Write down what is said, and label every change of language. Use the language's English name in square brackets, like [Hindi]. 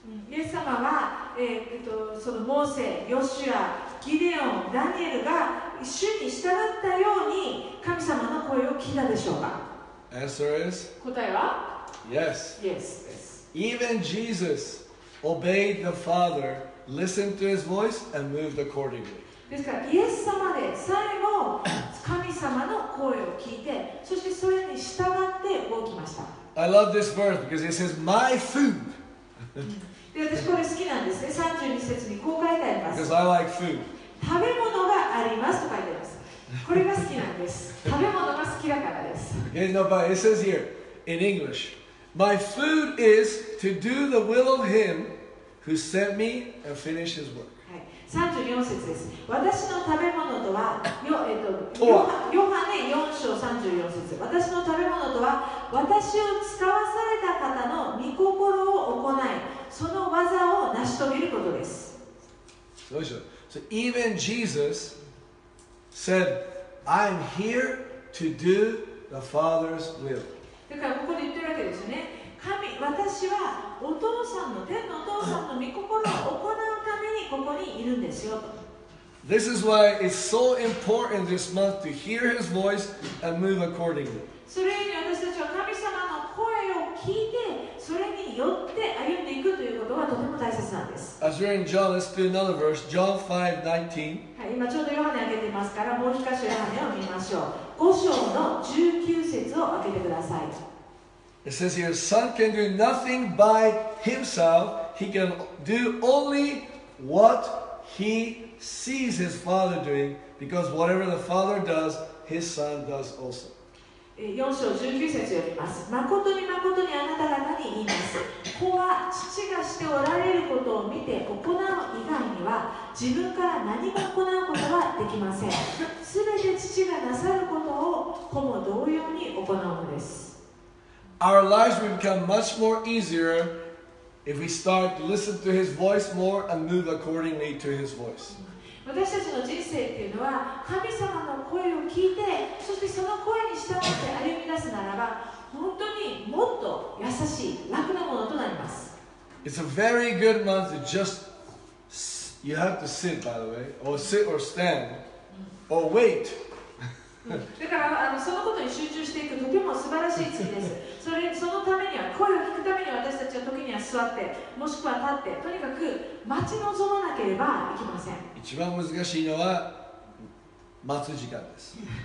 [Japanese] イエス様は、そのモーセ、ヨシュア、ギデオン、ダニエルが主に従ったように神様の声を聞いたでしょうか。 [English] Answer is? [Japanese] 答えは [English] Yes. Yes. Yes. Even Jesus obeyed the Father, listened to his voice, and moved accordingly. [Japanese] ですからイエス様でさえも神様の声を聞いて、そしてそれに従って動きました。 [English] I love this verse because it says, My food [Japanese] で私これ好きなんですね。32節にこう書いてあります。 [English] Because I like food. [Japanese] 食べ物がありますと書いてあります。これが好きなんです。食べ物が好きだからです。 [English] Okay, no, but it says here in English, my food is to do the will of Him who sent me and finish His work. [Japanese] はい、34節です。私の食べ物とは、ヨハネ4章34節。私の食べ物とは、私を使わされた方の御心を行い、その技を成し遂げることです。どうでしょう。 [English] So even Jesus said, I'm here to do the Father's will. [Japanese] だからここで言ってるわけですよね。神、私はお父さんの、天のお父さんの御心を行うためにここにいるんですよと。 [English] This is why it's so important this month to hear His voice and move accordingly. [Japanese] それに私たちは神様の声を聞いて、それによって歩んでいくということはとても大切なんです。 [English] As we're in John, let's do another verse, John 5:19. [Japanese] はい、今ちょうどヨハネ開けてますから、もう一箇所ヨハネを見ましょう。五章の19節を開けてください。 [English] It says here, Son can do nothing by himself. He can do only what he sees his father doing, because whatever the father does, his son does also. [Japanese] 4章19節を読みます。まことにまことにあなた方に言います。子は父がしておられることを見て行う以外には、自分から何も行うことはできません。すべて父がなさることを子も同様に行うのです。 [English] Our lives will become much more easier if we start to listen to His voice more and move accordingly to His voice. [Japanese] 私たちの人生というのは神様の声を聞いて、そしてその声に従って歩み出すならば、本当にもっと優しい、楽なものとなります。 [English] It's a very good month to just, you have to sit, by the way, or sit or stand, or wait. [Japanese] だからそのことに集中していくとても素晴らしい月です。そのためには声を聞くために私たちは時には座ってもしくは立ってとにかく待ち望まなければいけません。一番難しいのは待つ時間です。